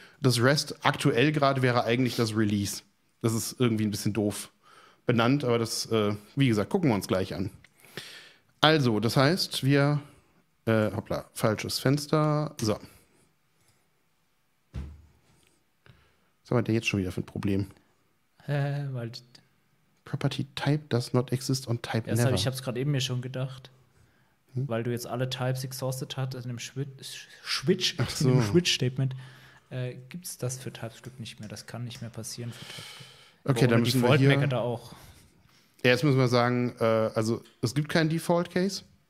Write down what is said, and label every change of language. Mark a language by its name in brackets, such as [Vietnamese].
[German] Das Rest aktuell gerade wäre eigentlich das Release. Das ist irgendwie ein bisschen doof benannt, aber das, wie gesagt, gucken wir uns gleich an. Also, das heißt, wir, hoppla, falsches Fenster, so. Was haben wir denn jetzt schon wieder für ein Problem? Weil [English] Property type does not exist on type never. [German] Ich habe es gerade eben mir schon gedacht, weil du jetzt alle Types exhausted hast in dem Switch-Statement, gibt es das für TypeScript nicht mehr. Das kann nicht mehr passieren für TypeScript. Okay, dann müssen wir hier Default-Maker da auch. Ja, jetzt müssen wir sagen, also es gibt keinen Default-Case.